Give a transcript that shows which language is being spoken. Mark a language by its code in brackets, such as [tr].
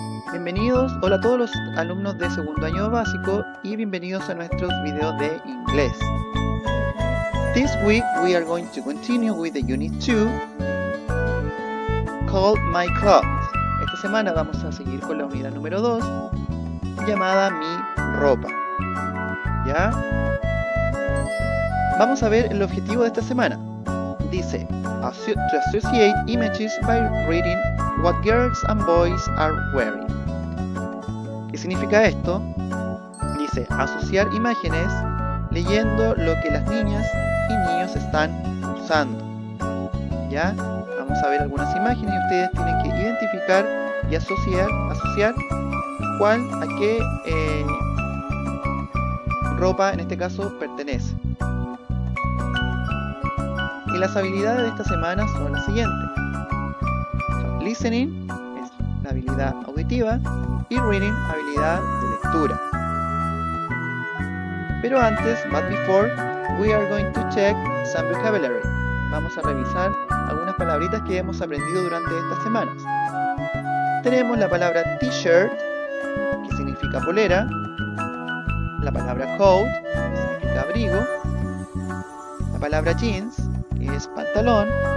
[es] Bienvenidos, hola a todos los alumnos de segundo año básico y bienvenidos a nuestros videos de inglés. [en] This week we are going to continue with the unit 2 called My Clothes. [es] Esta semana vamos a seguir con la unidad número 2 llamada Mi Ropa. ¿Ya? Vamos a ver el objetivo de esta semana. Dice, [en] to associate images by reading what girls and boys are wearing. [es] ¿Qué significa esto? Dice, asociar imágenes leyendo lo que las niñas y niños están usando. ¿Ya? Vamos a ver algunas imágenes y ustedes tienen que identificar y asociar cuál a qué ropa en este caso pertenece. Y las habilidades de esta semana son las siguientes. Listening es la habilidad auditiva y reading, habilidad de lectura. Pero antes, [en] but before, we are going to check some vocabulary. [es] Vamos a revisar algunas palabritas que hemos aprendido durante estas semanas. Tenemos la palabra t-shirt, que significa polera. La palabra coat, que significa abrigo. La palabra jeans, que es pantalón.